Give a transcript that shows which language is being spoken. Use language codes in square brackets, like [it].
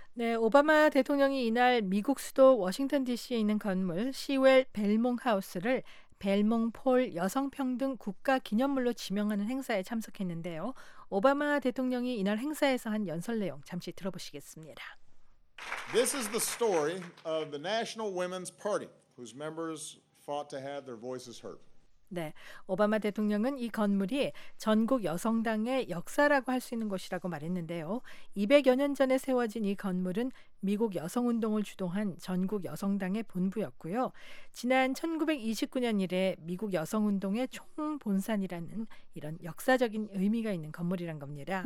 [ko] 네, 오바마 대통령이 이날 미국 수도 워싱턴 DC에 있는 건물 시웰 벨몽 하우스를 벨몽 폴 여성평등 국가 기념물로 지명하는 행사에 참석했는데요. 오바마 대통령이 이날 행사에서 한 연설 내용 잠시 들어보시겠습니다. [en] This is the story of the National Women's Party, whose members fought to have their voices heard. [ko] 네, 오바마 대통령은 이 건물이 전국 여성당의 역사라고 할 수 있는 곳이라고 말했는데요. 200여 년 전에 세워진 이 건물은 미국 여성운동을 주도한 전국 여성당의 본부였고요. 지난 1929년 이래 미국 여성운동의 총본산이라는 이런 역사적인 의미가 있는 건물이란 겁니다.